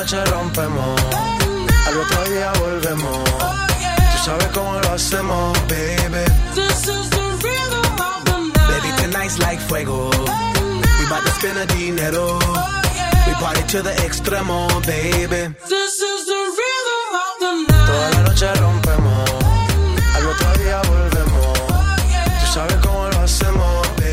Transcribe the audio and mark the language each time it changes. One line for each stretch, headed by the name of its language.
Spanish: Rompemos, al otro día volvemos. Tú sabes cómo lo hacemos, baby.
English: This is the rhythm of the night. Baby, tonight's like fuego. We about to spend the dinero. We party to the extremo, baby. This is the rhythm of the night.
Spanish: Toda la noche rompemos, al otro día volvemos. Tú sabes cómo lo hacemos.